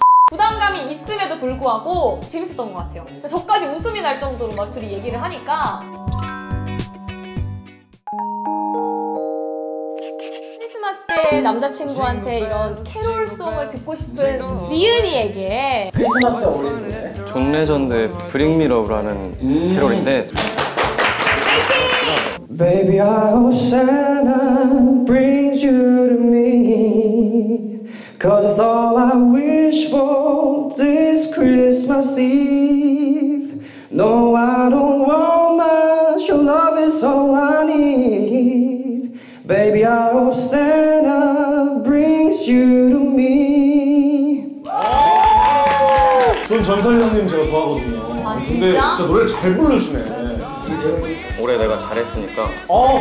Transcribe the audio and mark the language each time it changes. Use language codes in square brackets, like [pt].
[ko] 부담감이 있음에도 불구하고 재밌었던 것 같아요. 저까지 웃음이 날 정도로 막 둘이 얘기를 하니까 크리스마스 때 남자친구한테 이런 캐롤송을 듣고 싶은 지은이에게 크리스마스가 어울리는데? 존 레전드의 Bring Me Love라는 캐롤인데 [en] Baby, I hope Santa brings you to me. Cause it's all I wish for this Christmas Eve. No, I don't want much. Your love is all I need. Baby, I hope Santa brings you to me. [ko] 전 전설 형님 제가 좋아하거든요. 아, 진짜? 근데 진짜 노래를 잘 부르시네. 올해 내가 잘했으니까 어!